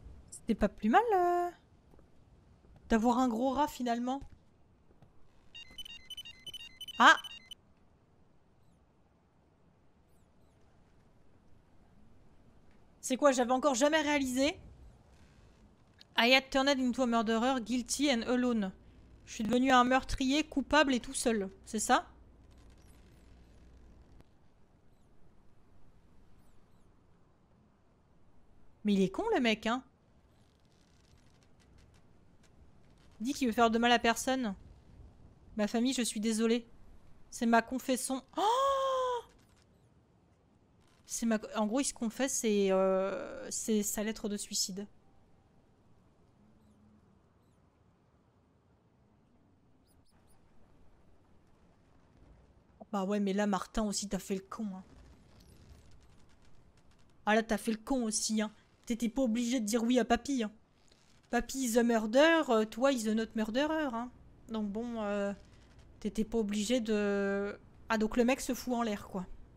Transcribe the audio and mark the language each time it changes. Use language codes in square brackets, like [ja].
[fr] C'était pas plus mal d'avoir un gros rat finalement. Ah! C'est quoi, j'avais encore jamais réalisé? [en] I had turned into a murderer, guilty and alone. [fr] Je suis devenu un meurtrier, coupable et tout seul, c'est ça? Mais il est con le mec, hein. Il dit qu'il veut faire de mal à personne. Ma famille, je suis désolée. C'est ma confession. Oh! C'est ma. En gros, il se confesse et c'est sa lettre de suicide. Bah ouais, mais là, Martin aussi, t'as fait le con, hein. Ah là, t'as fait le con aussi, hein. T'étais pas obligé de dire oui à papy. Hein. [en] Papy is a murderer, [fr] toi [en] is a not murderer. [fr] Hein. Donc bon, t'étais pas obligé de. Ah donc le mec se fout en l'air quoi.